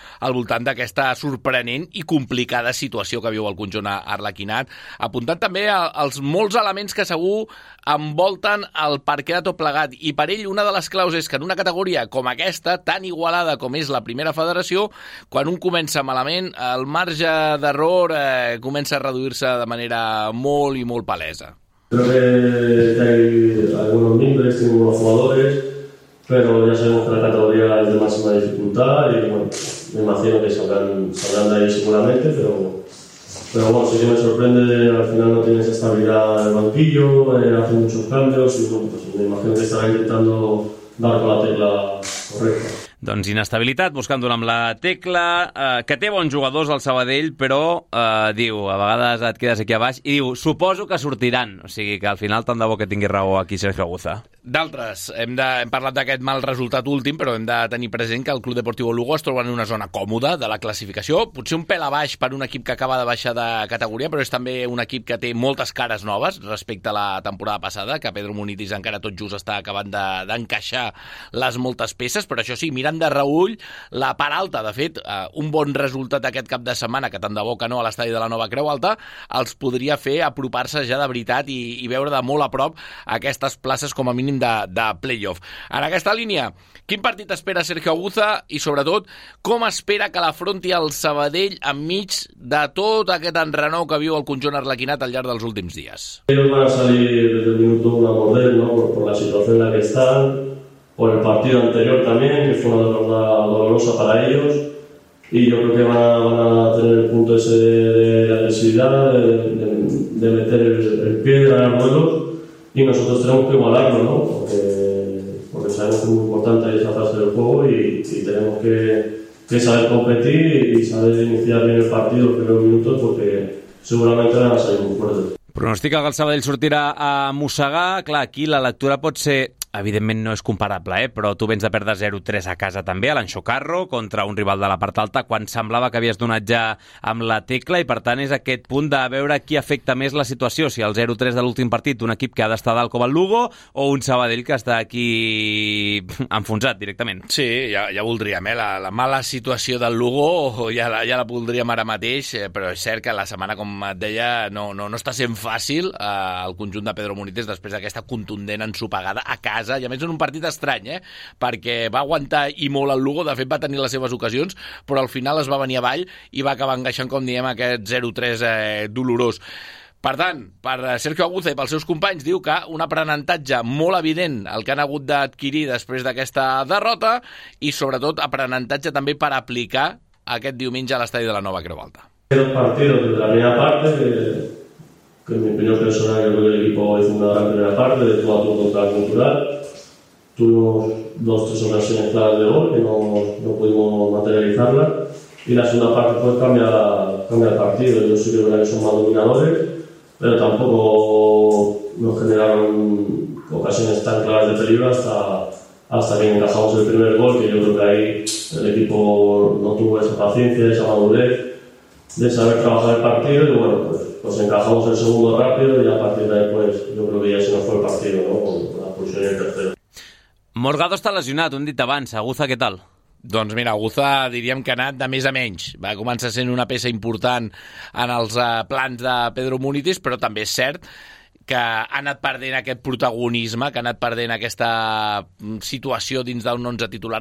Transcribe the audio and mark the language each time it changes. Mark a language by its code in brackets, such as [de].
[ca] al voltant d'aquesta sorprenent i complicada situació que viu el conjunt arlequinat, apuntant també als molts elements que segur envolten el perquè de tot plegat, i per ell una de les claus és que en una categoria com aquesta, tan igualada com és la Primera Federació, quan un comença malament, el marge d'error comença a reduir-se de manera molt i molt palesa. [es] Creo que hay algunos miembros, tengo unos jugadores, pero ya sabemos que la categoría es de máxima dificultad y bueno, me imagino que saldrán de ahí seguramente, pero bueno, sí que me sorprende, al final no tienes estabilidad en el banquillo, hacen muchos cambios y bueno, pues me imagino que estarán intentando dar con la tecla correcta. [ca] Doncs inestabilitat, buscant-ho amb la tecla, que té bons jugadors al Sabadell, però, diu, a vegades et quedes aquí a baix, i diu, suposo que sortiran, o sigui que al final tant de bo que tingui raó aquí Sergio Aguza. D'altres, hem parlat d'aquest mal resultat últim, però hem de tenir present que el Club Deportivo Lugo es troba en una zona còmoda de la classificació, potser un pèl a baix per un equip que acaba de baixar de categoria, però és també un equip que té moltes cares noves respecte a la temporada passada, que Pedro Munitis encara tot just està acabant d'encaixar les moltes peces, però això sí, mirant de reull la part alta. De fet, un bon resultat aquest cap de setmana, que tant de bo que no, a l'estadi de la Nova Creu Alta, els podria fer apropar-se ja de veritat i veure de molt a prop aquestes places com a mínim de play-off. En aquesta línia, quin partit espera Sergio Aguza i, sobretot, com espera que l'afronti el Sabadell enmig de tot aquest enrenou que viu el conjunt arlequinat al llarg dels últims dies? [es] Ellos van a salir desde el minuto uno a morder, ¿no? por la situación en la que están, por el partido anterior también, que fue una derrota dolorosa para ellos, y yo creo que van a tener el punto ese de agresividad, de meter el pie de ganar duelos. Y nosotros tenemos que igualarlo, ¿no? Porque sabemos que es muy importante esa fase del juego y tenemos que saber competir y saber iniciar bien el partido los primeros minutos, porque seguramente van a salir muy fuertes. [ca] Pronostica que el Sabadell sortirà a mossegar. Clar, aquí la lectura pot ser, evidentment no és comparable, però tu vens de perdre 0-3 a casa també, a l'Anxo Carro, contra un rival de la part alta, quan semblava que havies donat ja amb la tecla, i per tant és aquest punt de veure qui afecta més la situació, si el 0-3 de l'últim partit d'un equip que ha d'estar dalt com el Lugo, o un Sabadell que està aquí enfonsat directament. Sí, ja voldríem, la mala situació del Lugo, ja la voldríem ara mateix, però és cert que la setmana, com et deia, no està sent fàcil el conjunt de Pedro Munitis després d'aquesta contundent ensopegada a casa, i a més en un partit estrany, perquè va aguantar i molt el Lugo, de fet va tenir les seves ocasions, però al final es va venir avall i va acabar engaixant, com diem, aquest 0-3 dolorós. Per tant, per Sergio Aguza i pels seus companys, diu que un aprenentatge molt evident el que han hagut d'adquirir després d'aquesta derrota, i sobretot aprenentatge també per aplicar aquest diumenge a l'estadi de la Nova Creu Alta. [es] El partido [ca] de la meva part [es] que en mi opinión personal creo que el equipo hizo una gran primera parte, de todo a todo contra el cultural. Tuvimos dos o tres ocasiones claras de gol que no pudimos materializarlas. Y la segunda parte pues cambia el partido. Yo sí que creo que son más dominadores, pero tampoco nos generaron ocasiones tan claras de peligro hasta que encajamos el primer gol, que yo creo que ahí el equipo no tuvo esa paciencia, esa madurez de saber trabajar el partido y bueno, pues encajamos el segundo rápido y a partir de ahí pues yo creo que ya se nos fue el partido, ¿no? Con la pulsión y el tercero. Morgado está lesionado, [ca] un dit abans. [es] Aguza, ¿qué tal? [ca] Doncs mira, Aguza diríem que ha anat de més a menys. Va començar sent una peça important en els plans de Pedro Munitis, però també és cert que ha anat perdent aquest protagonisme, que ha anat perdent aquesta situació dins d'un 11 titular.